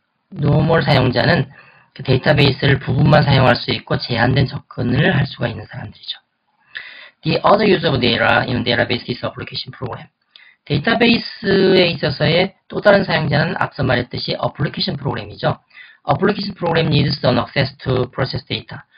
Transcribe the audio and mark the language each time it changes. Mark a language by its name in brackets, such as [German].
[Korean] 노멀 사용자는 그 데이터베이스를 부분만 사용할 수 있고 제한된 접근을 할 수가 있는 사람들이죠. [English] The other use of data in database is application program. [Korean] 데이터베이스에 있어서의 또 다른 사용자는 앞서 말했듯이 application program이죠. [English] Application program needs some access to process data.